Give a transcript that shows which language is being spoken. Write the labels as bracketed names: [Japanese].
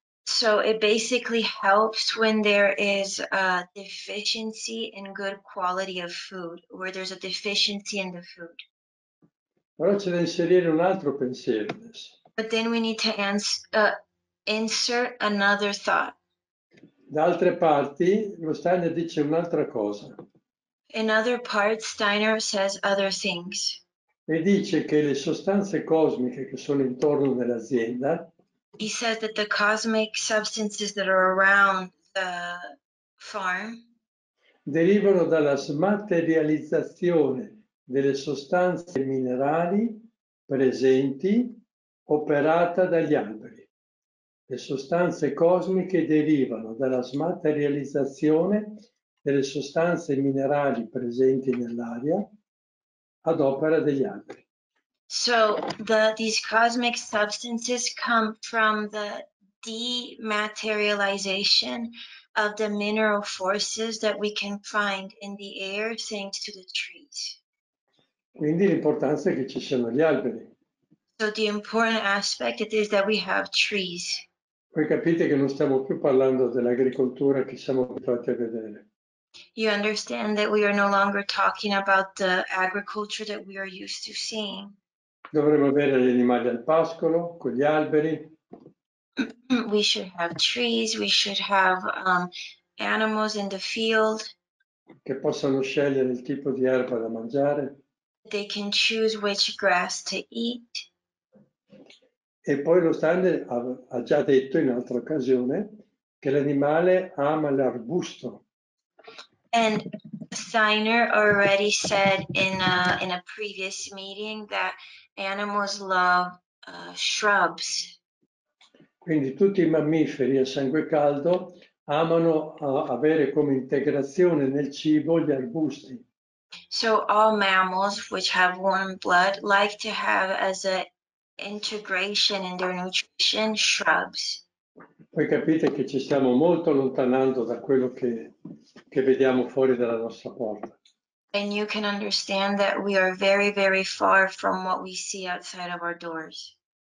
[English] So it basically helps when there is a deficiency in good quality of food, where there's a deficiency in the food. [Italian] Però c'è da inserire un altro pensiero adesso. [English] But then we need to insert another thought. [Italian] Da altre parti, lo Steiner dice un'altra cosa. [English] In other parts, Steiner says other things. [Italian] E dice che le sostanze cosmiche che sono intorno nell'azienda. [English] He says that the cosmic substances that are around the farm [Italian] derivano dalla smaterializzazione delle sostanze minerali presenti operata dagli alberi. Le sostanze cosmiche derivano dalla smaterializzazione delle sostanze minerali presenti nell'aria ad opera degli alberi. [English] So these cosmic substances come from the dematerialization of the mineral forces that we can find in the air thanks to the trees. [Italian] Quindi l'importanza è che ci siano gli alberi. [English] So the important aspect is that we have trees. [Italian] Voi capite che non stiamo più parlando dell'agricoltura che siamo abituati a vedere. [English] You understand that we are no longer talking about the agriculture that we are used to seeing. [Italian] Dovremmo avere gli animali al pascolo, con gli alberi. [English] We should have trees, we should have animals in the field. [Italian] Che possano scegliere il tipo di erba da mangiare. [English] They can choose which grass to eat. [Italian] E poi lo Steiner ha già detto in altra occasione che l'animale ama l'arbusto. [English] And Steiner already said in a previous meeting that animals love shrubs. [Italian] Quindi tutti i mammiferi a sangue caldo amano avere come integrazione nel cibo gli arbusti. [English] So all mammals which have warm blood like to have as an integration in their nutrition shrubs. [Italian] Poi capite che ci stiamo molto allontanando da quello che vediamo fuori dalla nostra porta. [English] And you can understand that we are very, very far from what we see outside of our doors.